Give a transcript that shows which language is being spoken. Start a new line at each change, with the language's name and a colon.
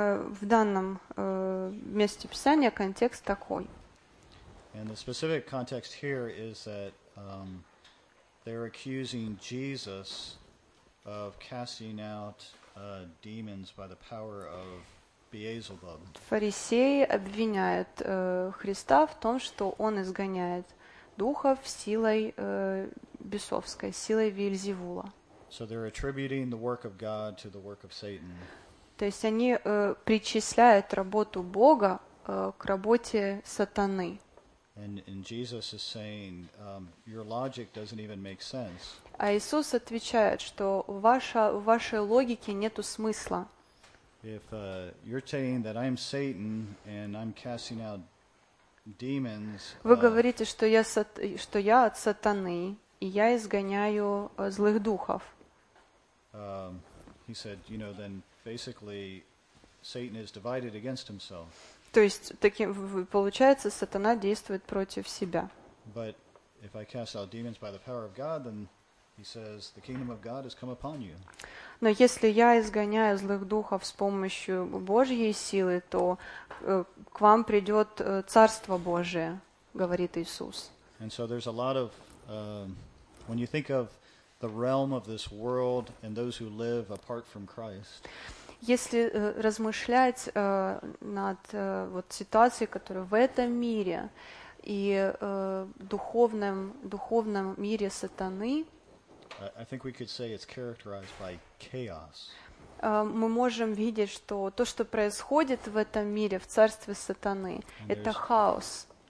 Russian: В данном месте Писания контекст такой.
English: And the specific context here is that they're accusing Jesus of casting out demons by the power of Beelzebub.
Russian: Фарисеи обвиняют Христа в том, что он изгоняет духов силой бесовской, силой Вельзевула.
English: So they're attributing the work of God to the work of Satan.
Russian: То есть они причисляют работу Бога к работе сатаны.
English: And Jesus is saying, your logic doesn't even make sense.
Russian: А Иисус отвечает, что в вашей логике нету смысла.
English: If you're saying that I'm Satan and I'm casting out demons,
Russian: вы говорите, что я от сатаны и я изгоняю злых духов.
English: He said, then basically Satan is divided against himself.
Russian: То есть таким получается, сатана действует против себя.
English: But if I cast out demons by the power of God, then He says, "The kingdom of God has come upon you."
Russian: Но если я изгоняю злых духов с помощью Божьей силы, то к вам придет царство Божие, говорит Иисус.
English: And so there's a lot of when you think of the realm of this world and those who live apart from Christ.
Russian: Если размышлять над вот ситуацией, которая в этом мире и духовном мире сатаны.
English: I think we could say it's characterized by chaos.
Russian: Мы можем видеть, что то, что происходит в этом мире, в царстве сатаны, это хаос.